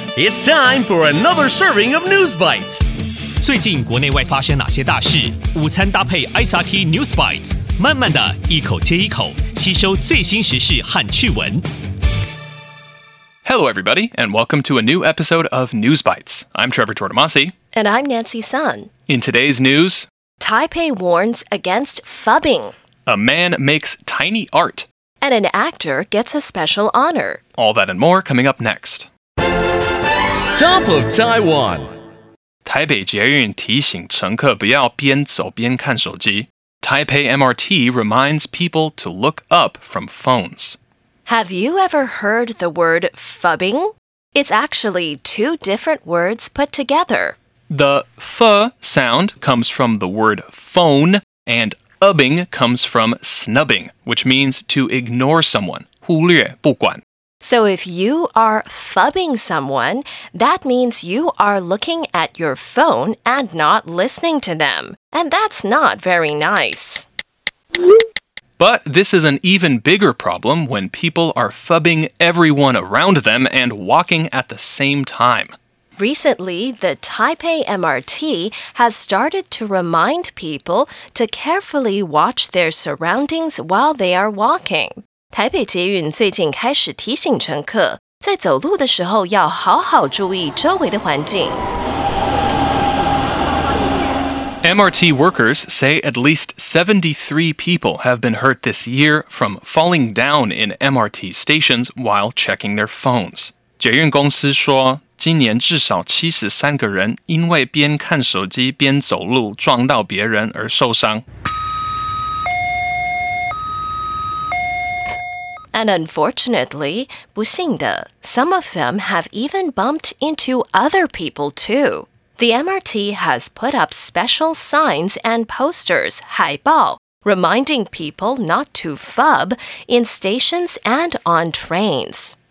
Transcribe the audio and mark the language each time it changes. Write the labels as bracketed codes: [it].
[en] It's time for another serving of News Bites. [zh] 最近国内外发生哪些大事？午餐搭配 SRT News Bites， 慢慢的一口接一口，吸收最新时事和趣闻。 [en] Hello, everybody, and welcome to a new episode of News Bites. I'm Trevor Tortomasi. And I'm Nancy Sun. In today's news, Taipei warns against phubbing. A man makes tiny art. And an actor gets a special honor. All that and more coming up next. Top of Taiwan. [zh] 台北捷运提醒乘客不要边走边看手机。 [en] Taipei MRT reminds people to look up from phones. Have you ever heard the word phubbing? It's actually two different words put together. The ph sound comes from the word phone, and ubbing comes from snubbing, which means to ignore someone. [zh] 忽略不管。 [en] So if you are phubbing someone, that means you are looking at your phone and not listening to them. And that's not very nice. But this is an even bigger problem when people are phubbing everyone around them and walking at the same time. Recently, the Taipei MRT has started to remind people to carefully watch their surroundings while they are walking. [zh] 台北捷运最近开始提醒乘客，在走路的时候要好好注意周围的环境。 [en] MRT workers say at least 73 people have been hurt this year from falling down in MRT stations while checking their phones. [zh] 捷运公司说，今年至少73个人因为边看手机边走路撞到别人而受伤。 [en] And unfortunately, 不幸的, some of them have even bumped into other people too. The MRT has put up special signs and posters, 海报, reminding people not to phub in stations and on trains.